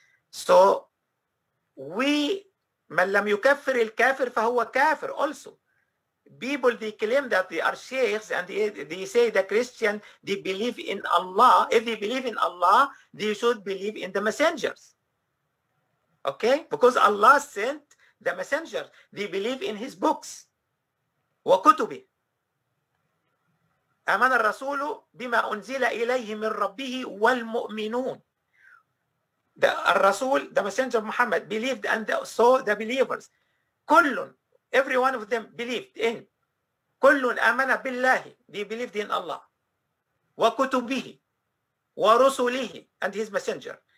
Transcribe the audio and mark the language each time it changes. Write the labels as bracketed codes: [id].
[en] So we [ar] من لم يكفر الكافر فهو كافر [en] also. People, they claim that they are sheikhs and they say the Christian, they believe in Allah. If they believe in Allah, they should believe in the messengers. Okay? Because Allah sent the messenger. They believe in his books. [ar] وكتبه. آمن الرسول بما أنزل إليه من ربه والمؤمنون. [en] The Rasul, the Messenger of Muhammad, believed and saw the believers. Kullun, every one of them believed in. Kullun amana billahi, they believed in Allah. Wa kutubihi, wa rusulihi, and his messenger.